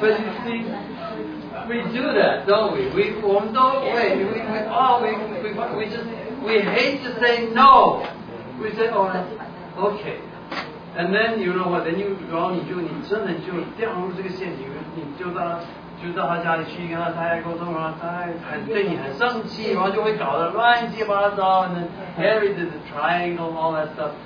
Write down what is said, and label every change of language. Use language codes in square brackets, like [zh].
[en] But you see, we do that, don't we? We hate to say no! We say, oh, okay. And then, you know what, then you go on, you turn and you down to the same, you do that. [zh] 就到他家里去跟他太太沟通，然后他太太对你很生气，然后就会搞得乱七八糟。 [en] And then Harry did the triangle, all that stuff.